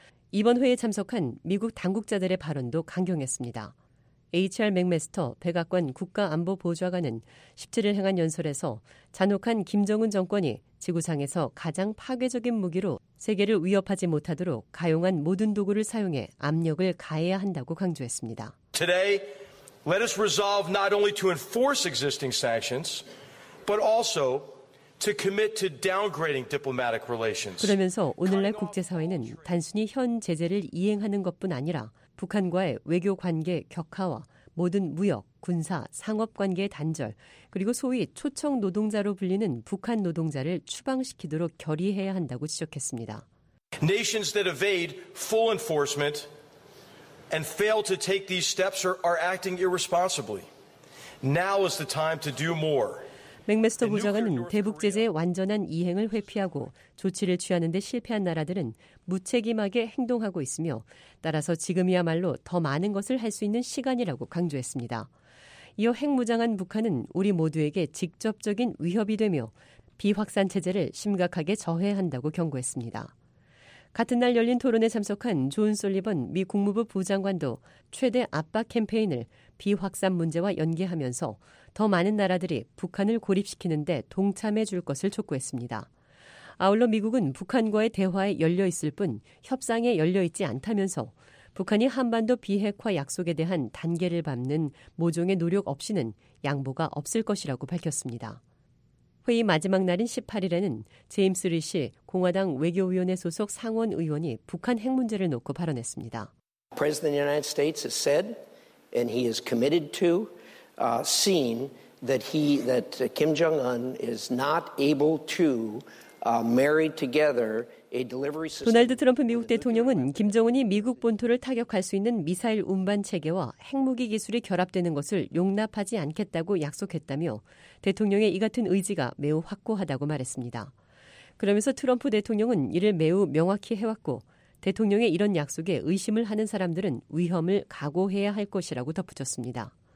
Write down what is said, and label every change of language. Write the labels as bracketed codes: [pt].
[ko] 이번 회의에 참석한 미국 당국자들의 발언도 강경했습니다. H.R. 맥메스터 백악관 국가안보보좌관은 17일 행한 연설에서 잔혹한 김정은 정권이 지구상에서 가장 파괴적인 무기로 세계를 위협하지 못하도록 가용한 모든 도구를 사용해 압력을 가해야 한다고 강조했습니다. [en] Today, let us resolve not only to enforce existing sanctions, but also to commit to downgrading diplomatic relations. [ko] 그러면서 오늘날 국제사회는 단순히 현 제재를 이행하는 것뿐 아니라 북한과의 외교 관계 격화와 모든 무역, 군사, 상업 관계 단절, 그리고 소위 초청 노동자로 불리는 북한 노동자를 추방시키도록 결의해야 한다고 지적했습니다. [en] Nations that evade full enforcement and fail to take these steps are acting irresponsibly. Now is the time to do more. [ko] 맥메스터 부장은 대북 제재의 완전한 이행을 회피하고 조치를 취하는 데 실패한 나라들은 무책임하게 행동하고 있으며 따라서 지금이야말로 더 많은 것을 할 수 있는 시간이라고 강조했습니다. 이어 핵무장한 북한은 우리 모두에게 직접적인 위협이 되며 비확산 체제를 심각하게 저해한다고 경고했습니다. 같은 날 열린 토론에 참석한 존 솔리번 미 국무부 부장관도 최대 압박 캠페인을 비확산 문제와 연계하면서 더 많은 나라들이 북한을 고립시키는 데 동참해 줄 것을 촉구했습니다. 아울러 미국은 북한과의 대화에 열려 있을 뿐 협상에 열려 있지 않다면서 북한이 한반도 비핵화 약속에 대한 단계를 밟는 모종의 노력 없이는 양보가 없을 것이라고 밝혔습니다. 회의 마지막 날인 18일에는 제임스 리시 공화당 외교위원회 소속 상원 의원이 북한 핵 문제를 놓고 발언했습니다. [en] President of the United States has said and he is committed to seen that he that Kim Jong Un is not able to marry together a delivery system. [ko] 도널드 트럼프 미국 대통령은 김정은이 미국 본토를 타격할 수 있는 미사일 운반 체계와 핵무기 기술이 결합되는 것을 용납하지 않겠다고 약속했다며 대통령의 이 같은 의지가 매우 확고하다고 말했습니다. 그러면서 트럼프 대통령은 이를 매우 명확히 해왔고 대통령의 이런 약속에 의심을 하는 사람들은 위험을 각오해야 할 것이라고 덧붙였습니다.